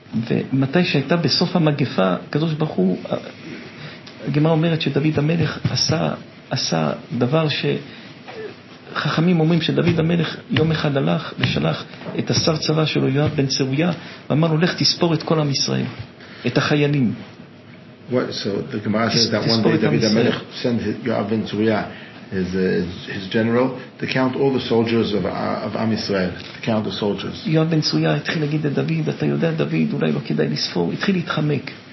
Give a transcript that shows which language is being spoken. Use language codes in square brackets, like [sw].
[he] ומתי שהייתה בסוף המגפה, הקדוש ברוך הוא, הגמרא אומרת שדוד המלך עשה דבר ש חכמים אומרים שדוד המלך יום אחד הלך ושלח את השר צבא שלו יואב בן צרויה ואמר לו לך תספור את כל עם ישראל, את החיילים. [en] What, so the Gemara says that one day David HaMelech sent Yoav ben Tzruya, his general, to count all the soldiers of Am Yisrael, to count the soldiers. [he] Yoav ben Tzruya התחיל להגיד לדוד, אתה יודע דוד, אולי לא כדאי לספור, התחיל להתחמק.